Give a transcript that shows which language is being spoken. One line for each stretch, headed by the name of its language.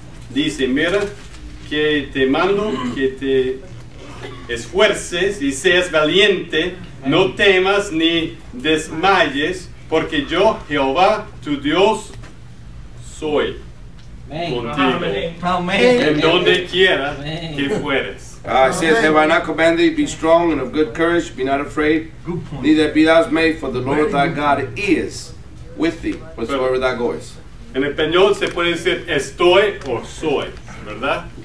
Spanish: dice, mira, que te mando que te esfuerces y seas valiente, no temas ni desmayes, porque yo, Jehová, tu Dios, soy contigo, en donde quiera que fueres.
English: It says, have I not commanded thee, be strong and of good courage, be not afraid, neither be thou dismayed, for the Lord thy God is with thee, whatsoever thou goest.
Spanish: En español se puede decir estoy o soy, ¿verdad?